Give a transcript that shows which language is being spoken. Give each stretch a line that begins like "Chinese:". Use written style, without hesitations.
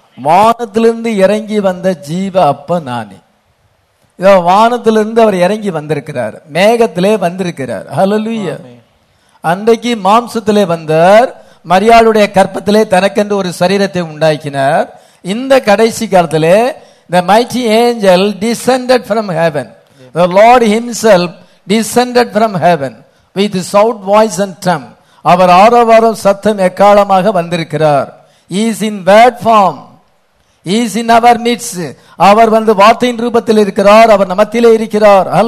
Tamil: வானத்திலிருந்து இறங்கி வந்த ஜீவ அப்ப நானே. இதோ வானத்திலிருந்து அவர் இறங்கி வந்திருக்கிறார், மேகத்திலே வந்திருக்கிறார். ஹல்லேலூயா. அன்றைக்கு மாம்சத்திலே வந்தார், மரியாளுடைய கற்பத்திலே தனக்கென்று ஒரு சரீரத்தை உண்டாக்கினார். இந்த கடைசி காலத்திலே
English: the mighty angel descended from heaven, the Lord himself descended from heaven with his shout voice and trump.
Tamil: அவர் ஆரவாரம் சத்தம் எக்காலமாக வந்திருக்கிறார்.
English: He is in word form, He is in our midst.
Tamil: அவர் வந்து வார்த்தையின் ரூபத்தில் இருக்கிறார், அவர் நமத்திலே இருக்கிறார்.